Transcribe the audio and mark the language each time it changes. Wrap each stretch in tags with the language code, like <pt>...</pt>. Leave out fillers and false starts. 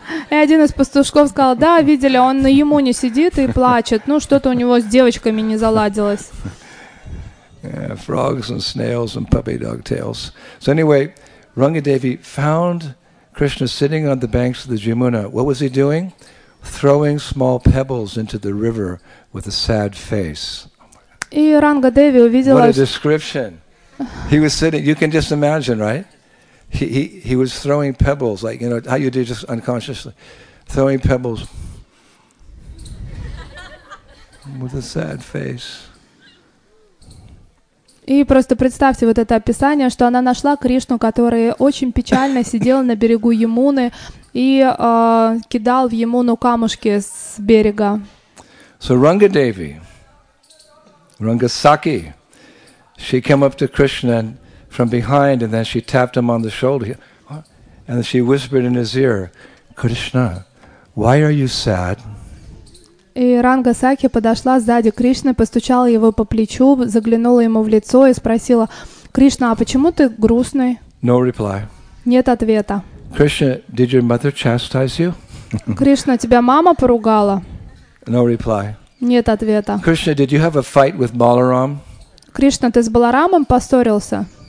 <ru>И один из пастушков сказал: да, видели, он на Ямуне сидит и плачет. Ну, что-то у него с девочками не заладилось.</ru> <en>Yeah, frogs and snails and puppy dog tails. So anyway, Ranga Devi found Krishna sitting on the banks of the Jamuna. What was he doing? Throwing small pebbles into the river with a sad face.</en> <ru>И Ранга Деви увидела...</ru> <en>What a description. He was sitting, you can just imagine, right? He was throwing pebbles, like, you know, how you do just unconsciously, throwing pebbles with a sad face.</en> <ru>И просто представьте вот это описание, что она нашла Кришну, который очень печально сидел на берегу Ямуны и кидал в Ямуну камушки с берега.</ru> <en>So Ranga Devi, Ranga Saki, she came up to Krishna and from behind, and then she tapped him on the shoulder, and she whispered in his ear, "Krishna, why are you sad?"</en> <ru>И Ранга Сакхи подошла сзади Кришны, постучала его по плечу, заглянула ему в лицо и спросила: "Кришна, а почему ты грустный?"</ru> <en>No reply.</en> <ru>Нет ответа.</ru> <en>Krishna, did your mother chastise you?</en> <ru>Кришна, тебя мама поругала?</ru> <en>No reply.</en> <ru>Нет ответа.</ru> <en>Krishna, did you have a fight with Balaram?</en> <ru>Кришна, ты с Баларамом поссорился?</ru>